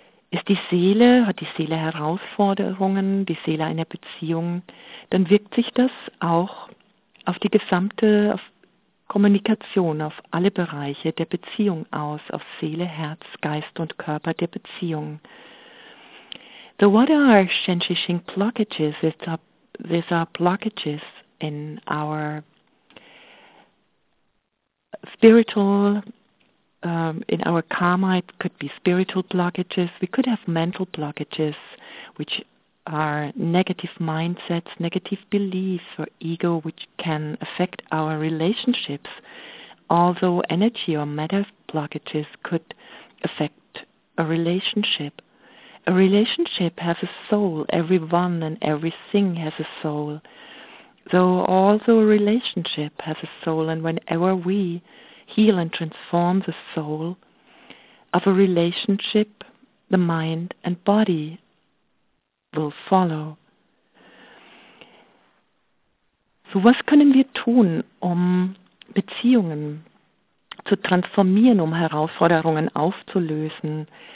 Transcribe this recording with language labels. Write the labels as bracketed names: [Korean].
[German] Ist die Seele, hat die Seele Herausforderungen, die Seele einer Beziehung, dann wirkt sich das auch auf die gesamte, auf Kommunikation, auf alle Bereiche der Beziehung aus, auf Seele, Herz, Geist und Körper der Beziehung. [English] So what are Shen Shi Xing blockages? These are blockages in our spiritual, in our karma. It could be spiritual blockages. We could have mental blockages, which are negative mindsets, negative beliefs or ego, which can affect our relationships. Also energy or matter blockages could affect a relationship. A relationship has a soul. Everyone and everything has a soul. So also a relationship has a soul. And whenever we heal and transform the soul of a relationship, the mind and body will follow. [German] So was können wir tun, um Beziehungen zu transformieren, um Herausforderungen aufzulösen?